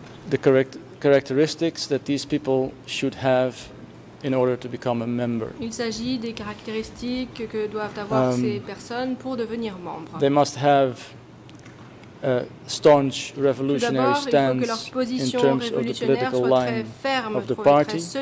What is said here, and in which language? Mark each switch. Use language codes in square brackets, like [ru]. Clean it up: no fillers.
[en] The characteristics that these people should have in order to become a member. [fr] Il s'agit des caractéristiques que doivent avoir ces personnes pour devenir membres. [en] They must have staunch revolutionary stance in terms of the political line of the party.